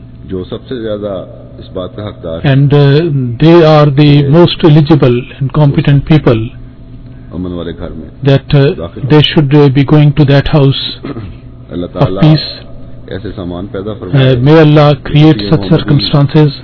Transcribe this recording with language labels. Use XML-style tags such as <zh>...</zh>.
<ur>جو سب سے زیادہ اس بات کا حقدار</ur> <en>and they are the most eligible and competent people</en> <ur>امن والے گھر میں</ur> <en>that they should be going to that house</en> <ur>اللہ تعالیٰ</ur> <en>peace</en> <ur>ایسے سامان پیدا فرمائے</ur> <en>may Allah create such circumstances</en>